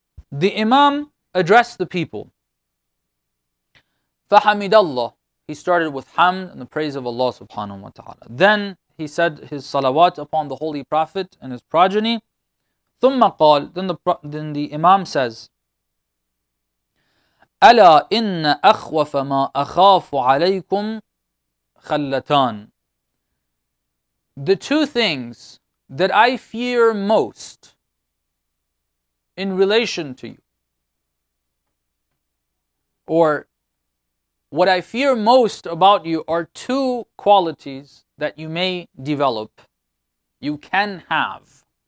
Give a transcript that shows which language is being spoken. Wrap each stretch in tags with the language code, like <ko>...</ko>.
<en>The Imam addressed the people.</en> <ar>فحمد الله.</ar> <en>He started with hamd and the praise of Allah subhanahu wa ta'ala. Then he said his salawat upon the Holy Prophet and his progeny.</en> <ar>ثم قال.</ar> <en>Then the Imam says,</en> <ar>ألا إن أخوف ما أخاف عليكم خلتان.</ar> <en>The two things that I fear most in relation to you, or what I fear most about you, are two qualities that you may develop, you can have.</en>